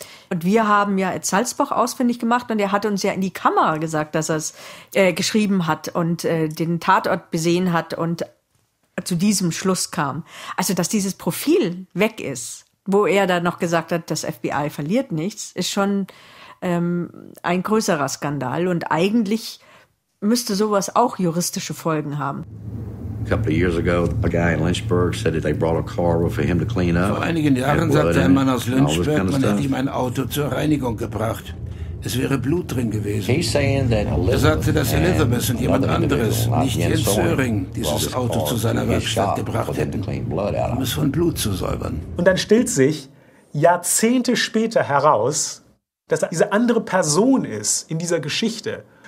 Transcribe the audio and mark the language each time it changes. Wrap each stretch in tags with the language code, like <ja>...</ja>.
<de>Und wir haben ja Ed Salzbach ausfindig gemacht und er hat uns ja in die Kamera gesagt, dass er es geschrieben hat und den Tatort besehen hat und zu diesem Schluss kam. Also, dass dieses Profil weg ist, wo er da noch gesagt hat, das FBI verliert nichts, ist schon ein größerer Skandal. Und eigentlich müsste sowas auch juristische Folgen haben.</de> <en>A couple of years ago, a guy in Lynchburg said that they brought a car for him to clean up.</en> <de>Vor einigen Jahren sagte ein Mann aus Lynchburg, man hätte ihm ein Auto zur Reinigung gebracht. Es wäre Blut drin gewesen. Er sagte, dass Elizabeth und jemand anderes, nicht Jens Söring, dieses Auto zu seiner Werkstatt gebracht hätten, um es von Blut zu säubern. Und dann stellt sich Jahrzehnte später heraus, dass diese andere Person ist in dieser Geschichte.</de>